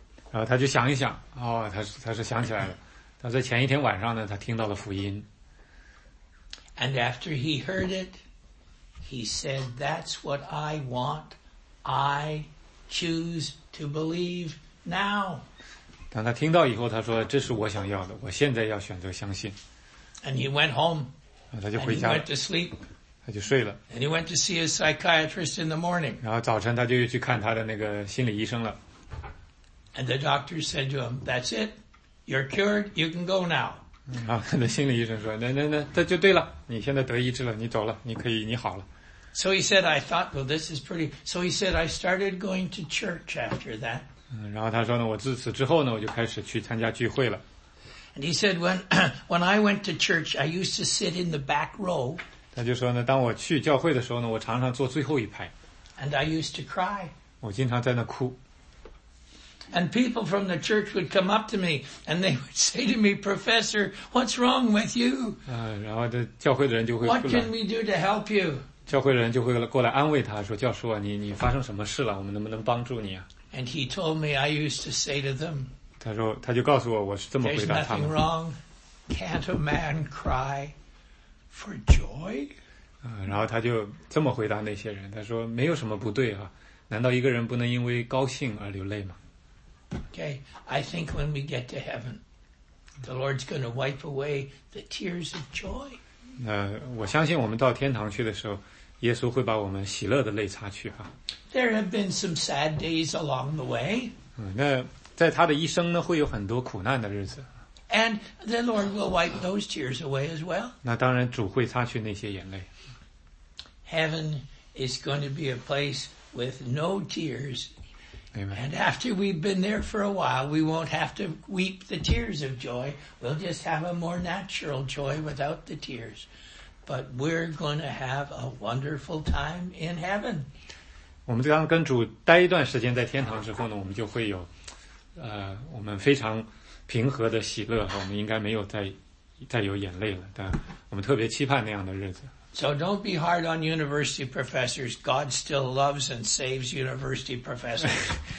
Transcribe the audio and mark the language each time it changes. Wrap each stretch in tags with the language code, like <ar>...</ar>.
<zh>然后他就想一想，哦，他是想起来了。他在前一天晚上呢，他听到了福音。</zh> <en>And after he heard it, he said, "That's what I want. I choose to believe now."</en> <zh>当他听到以后，他说：“这是我想要的，我现在要选择相信。</zh> <en>”And he went home.</en> <zh>他就回家了。</zh> <en>And he went to sleep.</en> <zh>他就睡了。</zh> <en>And he went to see his psychiatrist in the morning.</en> <zh>然后早晨他就去看他的那个心理医生了。</zh> <en>And the doctor said to him, "That's it, you're cured. You can go now."</en> <zh>然后他的心理医生说，那这就对了，你现在得医治了，你走了，你可以，你好了。</zh> <en>So he said, "I thought, well, this is pretty." So he said, "I started going to church after that."</en> <zh>然后他说呢，我自此之后呢，我就开始去参加聚会了。</zh> <en>And he said, "When I went to church, I used to sit in the back row."</en> <zh>他就说呢，当我去教会的时候呢，我常常坐最后一排。</zh> <en>And I used to cry.</en> <zh>我经常在那哭。</zh> <en>And people from the church would come up to me, and they would say to me, "Professor, what's wrong with you?"</en> <zh>然后这教会的人就会</zh> <en>"What can we do to help you?"</en> <zh>教会的人就会过来安慰他说，教授啊，你发生什么事了？我们能不能帮助你啊？</zh> <en>And he told me, I used to say to them.</en> <zh>他说，他就告诉我，我是这么回答他们。</zh> <en>There's nothing wrong. Can't a man cry for joy?</en> <zh>然后他就这么回答那些人，他说，没有什么不对啊，难道一个人不能因为高兴而流泪吗？</zh> <en>Okay, I think when we get to heaven, the Lord's going to wipe away the tears of joy.</en> <zh>我相信我们到天堂去的时候，耶稣会把我们喜乐的泪擦去哈。</zh> <en>There have been some sad days along the way.</en> <zh>那在他的一生呢，会有很多苦难的日子。</zh> <en>And the Lord will wipe those tears away as well.</en> <zh>那当然，主会擦去那些眼泪。</zh> <en>Heaven is going to be a place with no tears. Amen. And after we've been there for a while, we won't have to weep the tears of joy. We'll just have a more natural joy without the tears. But we're going to have a wonderful time in heaven.</en> <zh>我们刚跟主待一段时间在天堂之后呢，我们就会有，我们非常平和的喜乐，我们应该没有再有眼泪了。但我们特别期盼那样的日子。</zh> <en>So don't be hard on university professors. God still loves and saves university professors.</en>